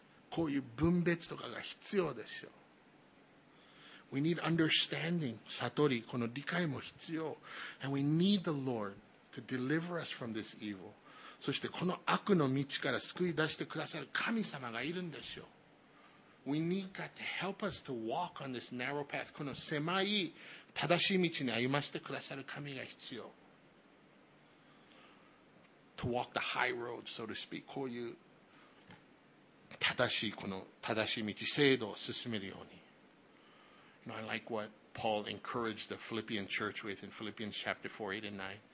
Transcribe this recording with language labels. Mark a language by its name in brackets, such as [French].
[Japanese] こういう分別とかが必要でしょ。 [English] We need understanding. [Japanese] 悟り、この理解も必要。 [English] And we need the Lord to deliver us from this evil. [Japanese] そしてこの悪の道から救い出してくださる神様がいるんでしょ。 [English] We need God to help us to walk on this narrow path. [Japanese] この狭い正しい道に歩ませてくださる神が必要。 [English] To walk the high road, so to speak. [Japanese] こういう正しい、この正しい道、正道を進めるように。 [English] You know, I like what Paul encouraged the Philippian church with in Philippians chapter 4, 8 and 9.